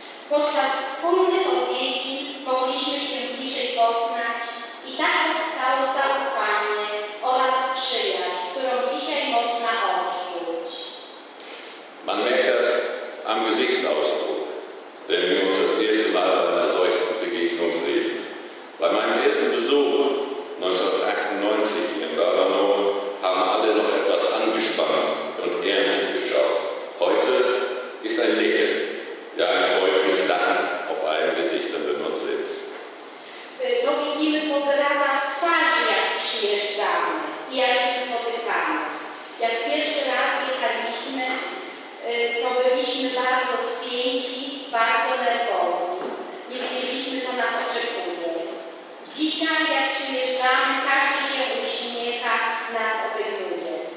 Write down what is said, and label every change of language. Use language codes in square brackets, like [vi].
[pl] Podczas wspólnych odwiedzin mogliśmy się bliżej poznać i tak powstało zaufanie oraz przyjaźń, którą dzisiaj można odczuć. [de] Man merkt das am Gesichtsausdruck, wenn wir uns das erste Mal bei einer solchen Begegnung sehen. Bei meinem ersten Besuch 1998 in Bergamo haben alle noch etwas angespannt und ernst geschaut. Heute ist ein Lächeln, ja ein freudiges Lachen auf allen Gesichtern, wenn man es sieht. [pl] To widzimy po wyrazach twarzy, jak przyjeżdżamy i jak się spotykamy. Jak pierwszy raz jechaliśmy, to byliśmy bardzo spięci, bardzo nerwowi. Nie wiedzieliśmy, co nas oczekuje. Dzisiaj, jak przyjeżdżamy, każdy się uśmiecha, nas opiekuje.